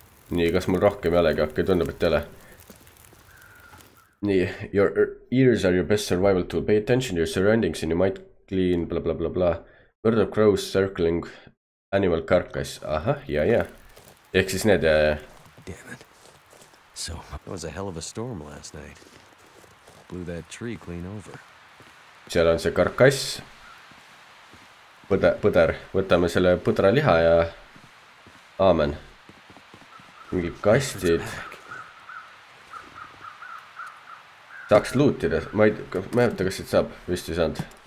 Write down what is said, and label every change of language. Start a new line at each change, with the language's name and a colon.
Estonian: Nii, kas mul rohkem jälegi hakkab, tundub, et jälle.
English: Nii, your ears are your best survival tool. Pay attention to your surroundings and you might clean bla bla bla bla. Bird of crows circling animal carcass.
Estonian: Aha, jah. Ehk siis need ja.
English: Damn it. So, it was a hell of a storm last night. Blew that tree clean over.
Estonian: Seal on see karkass. Põder. Võtame selle põdra liha ja... Aamen. Mingi kastid. Saaks lootida. Ma ei võta, kas siit saab. Vist ei saanud.